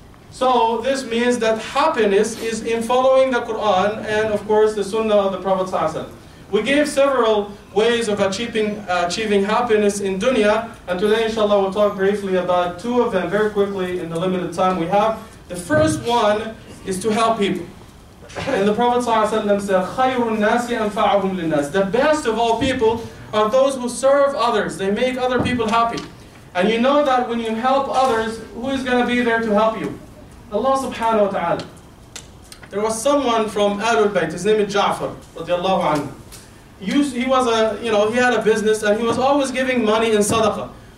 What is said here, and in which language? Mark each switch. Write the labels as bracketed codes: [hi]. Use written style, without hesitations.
[en] So this means that happiness is in following the Quran and of course the Sunnah of the Prophet ﷺ. We gave several ways of achieving happiness in dunya, and today inshallah we'll talk briefly about two of them very quickly in the limited time we have. The first one is to help people. And the Prophet ﷺ said, [ar] خَيْرُ النَّاسِ أَنْفَعُهُمْ لِلنَّاسِ. [en] The best of all people are those who serve others. They make other people happy. And you know that when you help others, who is going to be there to help you? Allah subhanahu wa ta'ala. There was someone from Ahlul Bayt, his name is Ja'far, radiallahu anhu. He was he had a business and he was always giving money in sadaqah.